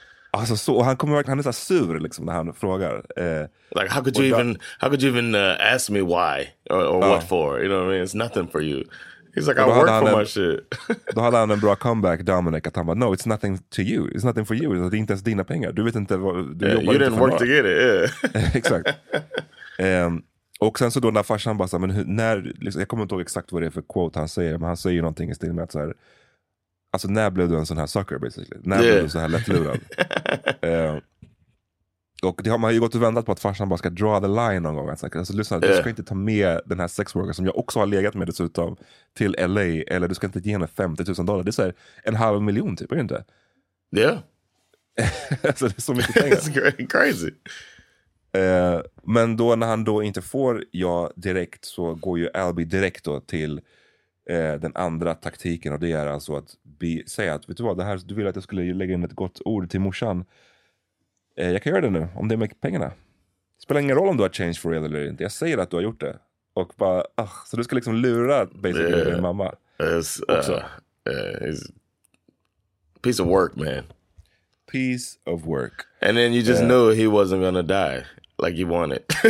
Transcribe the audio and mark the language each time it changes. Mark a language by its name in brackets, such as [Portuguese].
[Swedish] Alltså så, och han kommer verkligen, han är så sur liksom när han frågar. [English] Like, how could you even ask me why or what for? You know what I mean? It's nothing for you. He's like, I work for my shit. [Swedish] Då hade han en bra comeback, Dominic, att han bara, [English] no, it's nothing to you. It's nothing for you. [Swedish] Det är inte ens dina pengar. Du vet inte vad, du jobbar inte [English] You didn't [Swedish] inte [English] work to get it, yeah. [Swedish] Exakt. Och sen så då när farsan bara, men hur, när, liksom, jag kommer inte ihåg exakt vad det är för quote han säger, men han säger ju någonting i stil med att så här, alltså, när blev du en sån här sucker, basically? När blev du så här lättlurad? Och det har man ju gått och väntat på, att farsan bara ska dra the line någon gång. Alltså, lyssna, du ska inte ta med den här sexworker som jag också har legat med dessutom till LA. Eller du ska inte ge henne $50,000. Det är så här, en halv miljon typ, är det inte? Ja. Yeah. Alltså, det är så mycket pengar. [English] It's crazy. [Swedish] Men då när han då inte får ja direkt, så går ju Albie direkt då till den andra taktiken, och det är alltså att säga att, vet du vad, det här, du vill att jag skulle lägga in ett gott ord till morsan, jag kan göra det nu, om det är med pengarna. Det spelar ingen roll om du har [English] changed for real [Swedish] eller inte, jag säger att du har gjort det. och bara, oh, så du ska liksom lura basically din mamma. [English] It's, it's piece of work, man. Piece of work. And then you just knew he wasn't gonna die like he wanted.